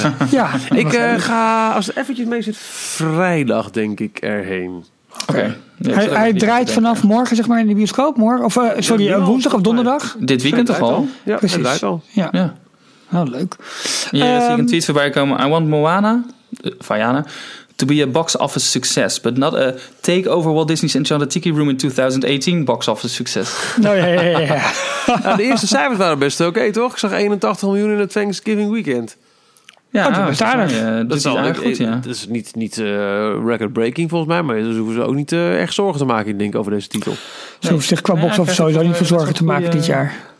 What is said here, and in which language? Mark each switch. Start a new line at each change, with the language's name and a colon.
Dutch: Ja. Ik ga, als het eventjes mee zit, vrijdag denk ik erheen. Okay. Nee, hij draait vanaf morgen zeg maar in de bioscoop, morgen. Of woensdag of donderdag. Nee, dit weekend toch al? Ja, precies. Draait al. Ja. Nou, leuk. Ja, zie ik een tweet voorbij komen.
English: I want Moana, Vianna, to be a box office success, but not a take over Walt Disney's Enchanted Tiki Room in 2018 box office success.
Dutch: Nou ja. Nou, de eerste cijfers waren best oké, toch? Ik zag 81 miljoen in het Thanksgiving weekend. Ja, dat is aardig. Dat is eigenlijk goed, ja. Dat is niet record-breaking volgens mij, maar dus hoeven ze ook niet echt zorgen te maken, ik denk, over deze titel. Ze hoeven zich qua box office sowieso niet voor zorgen te maken dit jaar.